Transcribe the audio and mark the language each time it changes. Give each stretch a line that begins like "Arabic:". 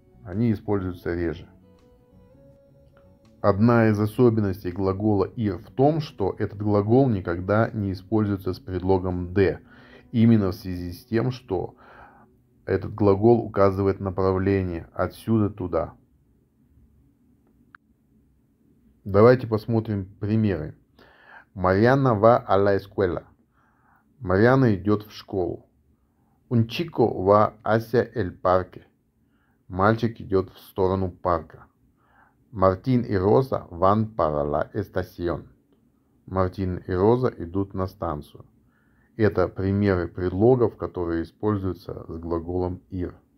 Russian: Они используются реже. Одна из особенностей глагола ir в том, что этот глагол никогда не используется с предлогом de, именно в связи с тем, что этот глагол указывает направление отсюда туда. Давайте посмотрим примеры.
Spanish: Mariana va a la escuela.
Russian: Mariana идет в школу.
Spanish: Un chico va hacia el parque.
Russian: Мальчик идет в сторону парка.
Spanish: Мартин и Роза ван пара ла эстасион.
Russian: Мартин и Роза идут на станцию. Это примеры предлогов, которые используются с глаголом ir.